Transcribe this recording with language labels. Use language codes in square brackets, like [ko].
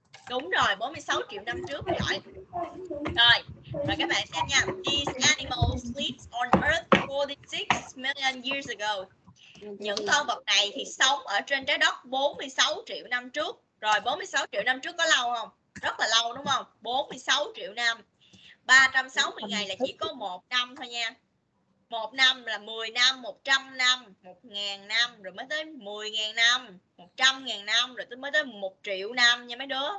[vi] Đúng rồi, 46 triệu năm trước rồi. Rồi, rồi các bạn xem nha. [en] These animals lived on Earth 46 million years ago. [vi] Những con vật này thì sống ở trên trái đất 46 triệu năm trước. Rồi, 46 triệu năm trước có lâu không? Rất là lâu đúng không? 46 triệu năm. 360 ngày là chỉ có 1 năm thôi nha. 1 năm là 10 năm, 100 năm, 1.000 năm, rồi mới tới 10.000 năm, 100.000 năm, rồi mới tới 1 triệu năm nha mấy đứa.